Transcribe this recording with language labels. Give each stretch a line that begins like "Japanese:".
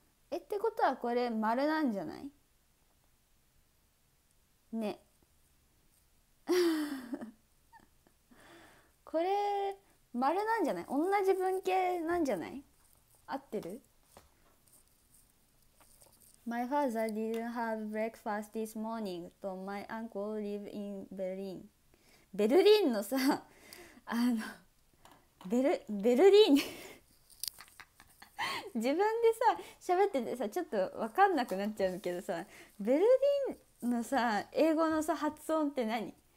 Japanese: え、ってことはこれ丸なんじゃない？ね。これ丸なんじゃない？同じ文型なんじゃない？合ってる？
English: My father didn't have breakfast this morning. と、my uncle live in Berlin.
Japanese: ベルリンのさ、ベルリン 自分でさ、喋っててさ、ちょっとわかんなくなっちゃうけどさ、ベルリンのさ、英語のさ、発音って何？